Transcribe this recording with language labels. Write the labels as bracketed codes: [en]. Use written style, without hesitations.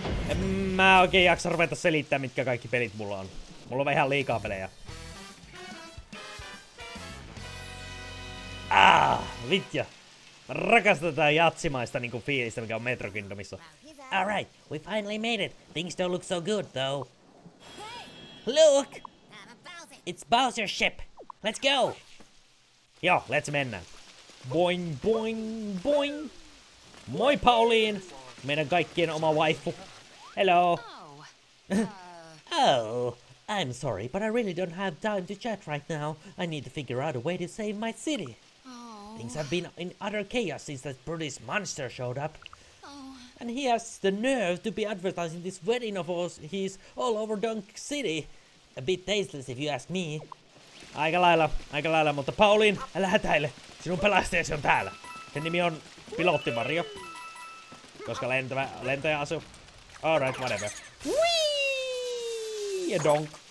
[fi] En mä oikein jaksa ruveta selittää, mitkä kaikki pelit mulla on. Mulla on vähän liikaa pelejä. Vittja. Mä rakastan tätä jatsimaista niinku fiilistä, mikä on Metro Kingdomissa. [en] Alright, we finally made it. Things don't look so good, though. Look! It's Bowser's ship. Let's go! [fi] Joo, let's mennä. Boing, boing, boing! Moi, Pauline! Meidän kaikkien oma waifu. [en] Hello! Oh, I'm sorry, but I really don't have time to chat right now. I need to figure out a way to save my city. Things have been in utter chaos since that British monster showed up. And he has the nerve to be advertising this wedding of ours. He's all over Dunk City. A bit tasteless if you ask me. [fi] Aika lailla, mutta Pauline, älä hätäile. Sinun pelastajasi on täällä. Sen nimi on Pilotti Mario. Koska lentäjä asuu. [en] Alright, whatever. [fi] Whee! Ja donk.